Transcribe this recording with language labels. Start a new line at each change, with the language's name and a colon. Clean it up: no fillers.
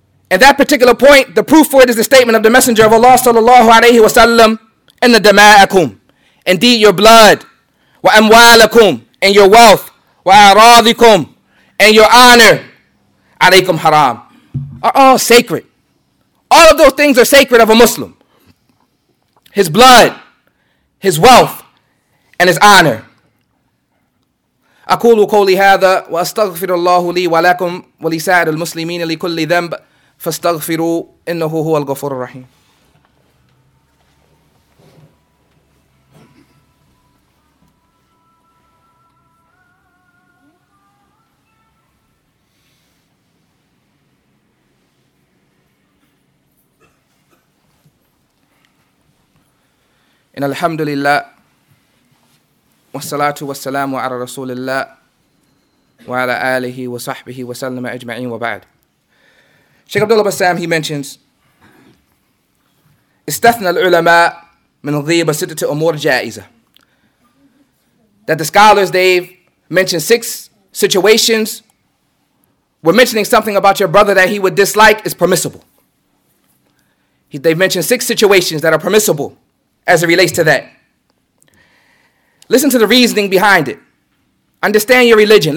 English: And that particular point, the proof for it is the statement of the Messenger of Allah sallallahu alayhi wa sallam, in the dama'akum, indeed your blood, wa amwalakum, and your wealth, wa aradikum, and your honor, alaykum haram, are all sacred. All of those things are sacred of a Muslim. His blood, his wealth, and his honor.
Arabic: أقول قولي هذا وأستغفر الله لي ولكم ولسائر المسلمين لكل ذنب فاستغفروا إنه هو الغفور الرحيم. إن الحمد لله والصلاة والسلام على رسول الله وعلى آله وصحبه وسلم أجمعين وبعد. Sheikh Abdullah Bassam,
English: he mentions,
Arabic: استثنى العلماء من الغيبة ستة أمور جائزة.
English: That the scholars, they've mentioned six situations where mentioning something about your brother that he would dislike is permissible. They've mentioned six situations that are permissible as it relates to that. Listen to the reasoning behind it. Understand your religion.